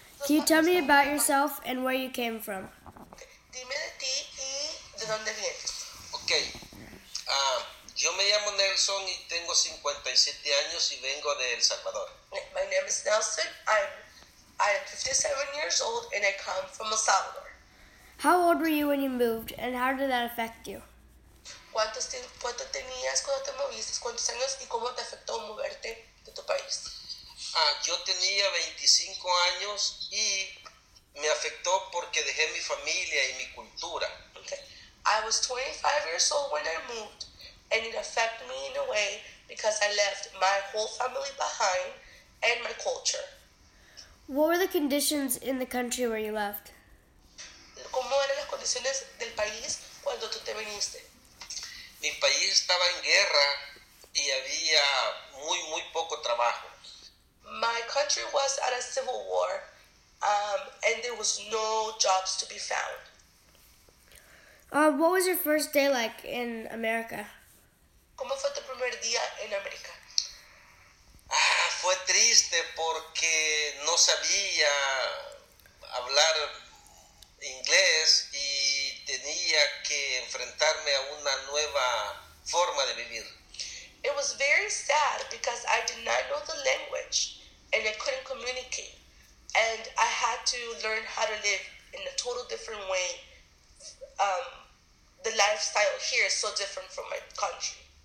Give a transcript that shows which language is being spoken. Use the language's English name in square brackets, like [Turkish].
[English] Can you tell me about yourself and where you came from? [Spanish] Dime de ti y de dónde vienes. Ok. Yo me llamo Nelson y tengo 57 años y vengo de El Salvador. [English] My name is Nelson. I'm 57 years old and I come from El Salvador. How old were you when you moved and how did that affect you? [Spanish] ¿Cuánto tenías cuando te moviste? ¿Cuántos años y cómo te afectó moverte de tu país? Yo tenía 25 años y me afectó porque dejé mi familia y mi cultura. [English] Okay. I was 25 years old when I moved, and it affected me in a way because I left my whole family behind and my culture. What were the conditions in the country where you left? [Spanish] ¿Cómo eran las condiciones del país cuando tú te viniste? Mi país estaba en guerra y había muy, muy poco trabajo. [English] My country was at a civil war, and there was no jobs to be found. What was your first day like in America? [Spanish] ¿Cómo fue tu primer día en América? Fue triste porque no sabía hablar inglés y tenía que enfrentarme a una nueva forma de vivir. [English] It was very sad because I did not know the language and I couldn't communicate. And I had to learn how to live in a total different way. The lifestyle here is so different from my country.